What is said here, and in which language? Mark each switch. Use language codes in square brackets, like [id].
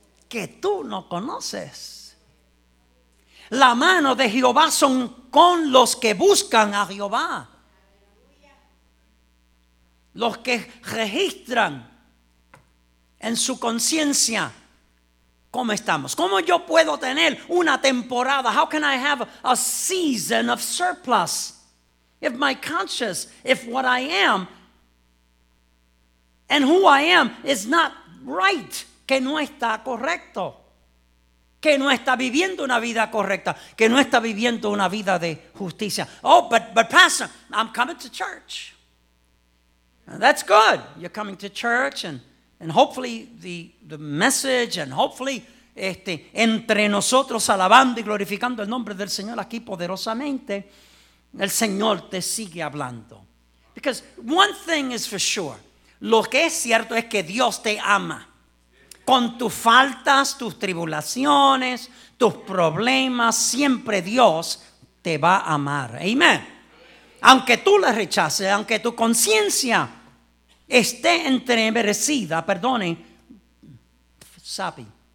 [es] que tú no conoces. La mano de Jehová son con los que buscan a Jehová. Los que registran en su conciencia cómo estamos. ¿Cómo yo puedo tener una temporada? [en] How can I have a season of surplus? If my conscience, if what I am and who I am is not right, [es] que no está correcto, que no está viviendo una vida correcta, que no está viviendo una vida de justicia. [en] Oh, but pastor, I'm coming to church. That's good. You're coming to church and hopefully [es] the message and hopefully entre nosotros alabando y glorificando el nombre del Señor aquí poderosamente, el Señor te sigue hablando. [en] Because one thing is for sure. [es] Lo que es cierto es que Dios te ama. Con tus faltas, tus tribulaciones, tus problemas, siempre Dios te va a amar. Amén. Aunque tú la rechaces, aunque tu conciencia esté entremerecida, perdone, sabe.